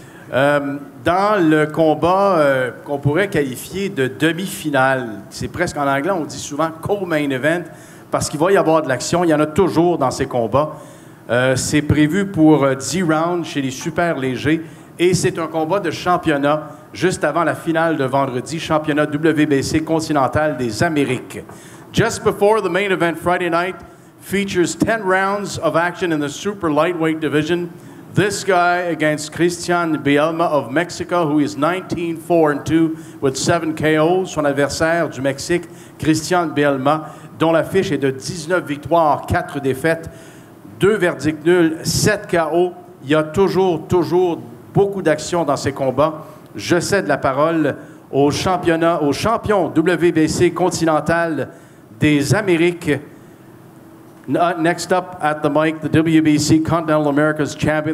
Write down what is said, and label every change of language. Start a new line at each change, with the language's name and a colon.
French: Dans le combat qu'on pourrait qualifier de demi-finale, c'est presque en anglais, on dit souvent co-main event, parce qu'il va y avoir de l'action, il y en a toujours dans ces combats. C'est prévu pour 10 rounds chez les super légers et c'est un combat de championnat. Juste avant la finale de vendredi, championnat WBC continental des Amériques.
English: Just before the main event Friday night features 10 rounds of action in the super lightweight division. This guy against Christian Bielma of Mexico, who is 19-4-2 with 7 KOs.
French: Son adversaire du Mexique, Christian Bielma, dont l'affiche est de 19 victoires, 4 défaites, 2 verdicts nuls, 7 KO. Il y a toujours beaucoup d'action dans ces combats. Je cède la parole au championnat, au champion WBC continental des Amériques.
English: Next up at the mic, the WBC Continental America's champion.